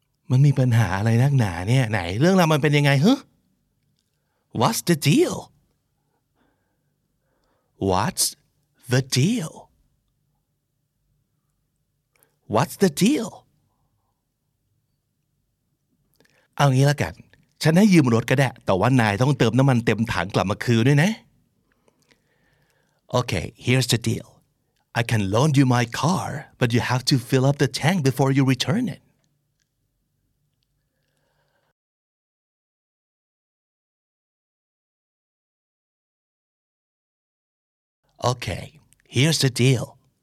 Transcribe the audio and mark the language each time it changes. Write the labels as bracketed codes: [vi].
[th] มันมีปัญหาอะไรนักหนาเนี่ยไหนเรื่องราวมันเป็นยังไงฮะ [en] What's the deal What's the deal What's the deal [th] เอางี้ละกันฉันให้ยืมรถก็ได้แต่ว่านายต้องเติมน้ำมันเต็มถังกลับมาคืนด้วยนะ [en] Okay, here's the deal. I can loan you my car, but you have to fill up the tank before you return it. Okay, here's the deal.